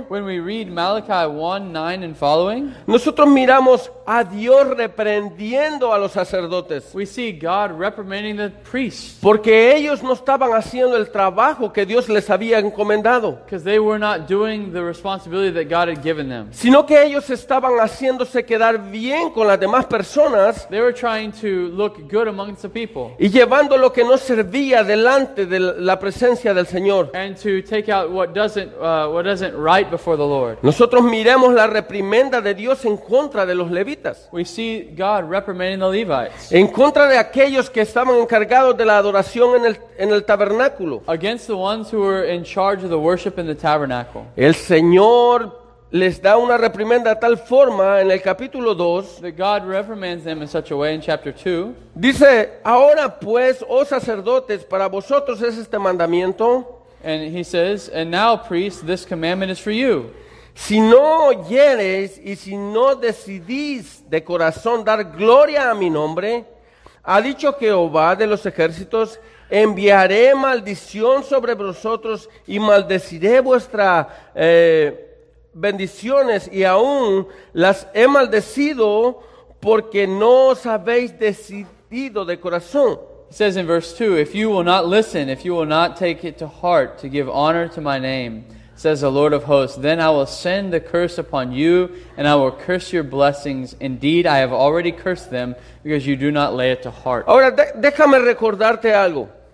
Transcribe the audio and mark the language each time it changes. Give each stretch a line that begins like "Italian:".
English: when we read Malachi 1, 9 and following,
Spanish: nosotros miramos a Dios reprendiendo a los sacerdotes.
English: We see God reprimanding the priests.
Spanish: Porque ellos no estaban haciendo el trabajo que Dios les había encomendado.
English: Because they were not doing the responsibility that God had given them.
Spanish: Sino que ellos estaban haciéndose quedar bien con las demás personas,
English: they were trying to look good amongst the people,
Spanish: y llevando lo que no servía delante de la presencia del Señor,
English: and to take out what doesn't right before the Lord.
Spanish: Nosotros miremos la reprimenda de Dios en contra de los levitas.
English: We see God reprimanding the Levites.
Spanish: En contra de aquellos que estaban encargados de la adoración en el tabernáculo.
English: Against the ones who were in charge of the worship in the tabernacle.
Spanish: El Señor les da una reprimenda de tal forma en el capítulo 2.
English: That God reprimands them in such a way in chapter 2.
Spanish: Dice, ahora pues, oh sacerdotes, para vosotros es este mandamiento.
English: And he says, and now priests, this commandment is for you.
Spanish: Si no oyeres y si no decidís de corazón dar gloria a mi nombre, ha dicho Jehová de los ejércitos, enviaré maldición sobre vosotros y maldeciré vuestras bendiciones y aún las he maldecido porque no os habéis decidido de corazón.
English: It says in verse 2, if you will not listen, if you will not take it to heart to give honor to my name, says the Lord of hosts, then I will send the curse upon you and I will curse your blessings. Indeed, I have already cursed them because you do not lay it to heart.
Spanish: Ahora, déjame recordarte algo.